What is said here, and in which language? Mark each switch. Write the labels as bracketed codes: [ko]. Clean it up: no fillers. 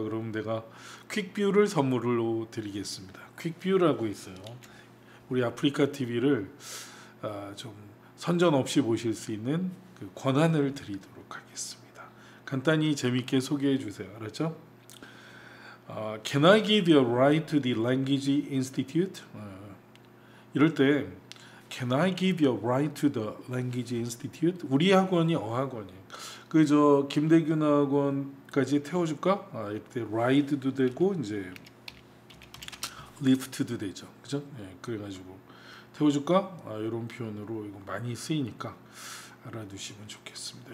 [ko] 그럼 내가 퀵뷰를 선물로 드리겠습니다. 퀵뷰라고 있어요. 우리 아프리카 TV를 좀 선전 없이 보실 수 있는 그 권한을 드리도록 하겠습니다. 간단히 재밌게 소개해 주세요. 알았죠? [en] Can I give you a ride to the Language Institute? [ko] 이럴 때 [en] Can I give you a ride to the Language Institute? [ko] 우리 학원이 어학원이에요. 그저 김대균 학원까지 태워줄까? 아, 이때 ride도 되고 이제 lift도 되죠. 그죠? 예, 그래가지고 태워줄까? 아, 이런 표현으로 이거 많이 쓰이니까 알아두시면 좋겠습니다.